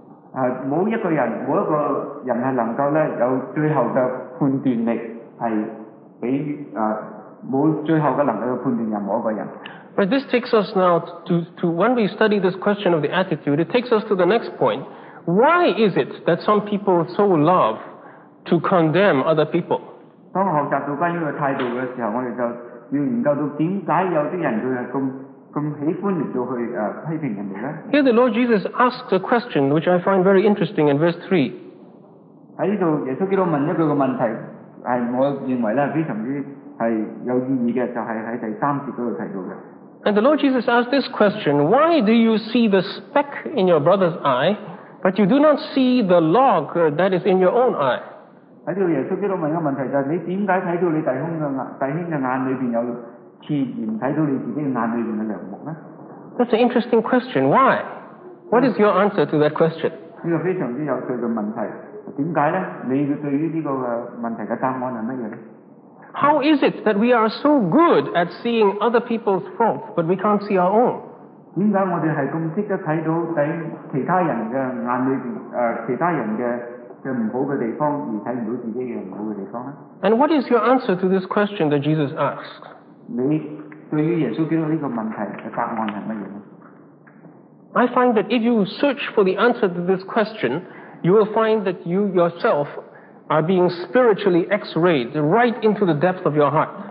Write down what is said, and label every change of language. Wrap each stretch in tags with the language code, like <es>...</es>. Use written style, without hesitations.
<en>But this takes us now to when we study this question of the attitude, it takes us to the next point. Why is it that some people so love to condemn other people?</en> <zh>当我学习到关于这个态度的时候，我们就要研究到为什么有些人就是这么喜欢去批评人家呢？</zh> <en>Here the Lord Jesus asks a question which I find very interesting in verse 3.</en> <zh>在这里耶稣基督问了一个问题，是我认为非常是有意义的，就是在第三节那里提到的。</zh> <en>And the Lord Jesus asked this question, why do you see the speck in your brother's eye, but you do not see the log that is in your own eye?</en> <zh>在这里耶稣基督问的问题就是，你为什么看到你弟兄的眼里面有刺，而不看到你自己眼里面的梁木呢？</zh> <en>That's an interesting question. Why? What is your answer to that question?</en> <zh>这个非常有趣的问题。为什么呢？你对于这个问题的答案是什么呢？</zh> <en>How is it that we are so good at seeing other people's faults, but we can't see our own?</en> <zh>为什么我们是这么懂得看到在其他人的眼里面，其他人的不好的地方，而看不到自己的不好的地方呢？</zh> <en>And what is your answer to this question that Jesus asked?</en> <zh>你对于耶稣基督这个问题的答案是什么呢？</zh> <en>I find that if you search for the answer to this question, you will find that you yourself are being spiritually x-rayed right into the depth of your heart.</en>